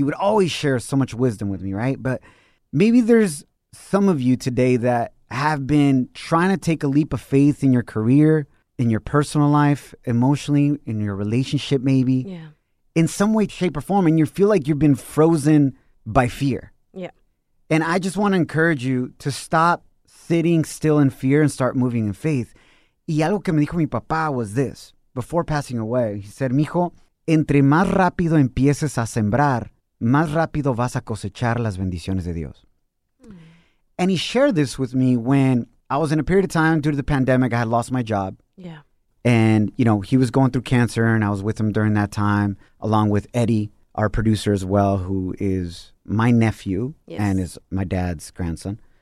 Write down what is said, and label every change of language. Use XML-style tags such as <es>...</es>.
<en>He would always share so much wisdom with me, right? But maybe there's some of you today that have been trying to take a leap of faith in your career, in your personal life, emotionally, in your relationship maybe. Yeah. In some way, shape, or form, and you feel like you've been frozen by fear. Yeah. And I just want to encourage you to stop sitting still in fear and start moving in faith.</en> <es>Y algo que me dijo mi papá</es> <en>was this. Before passing away, he said,</en> <es>mijo, entre más rápido empieces a sembrar, más rápido vas a cosechar las bendiciones de Dios. Mm.</es> <en>And he shared this with me when I was in a period of time due to the pandemic, I had lost my job. Yeah. And, you know, he was going through cancer and I was with him during that time, along with Eddie, our producer as well, who is my nephew, yes, and is my dad's grandson.</en>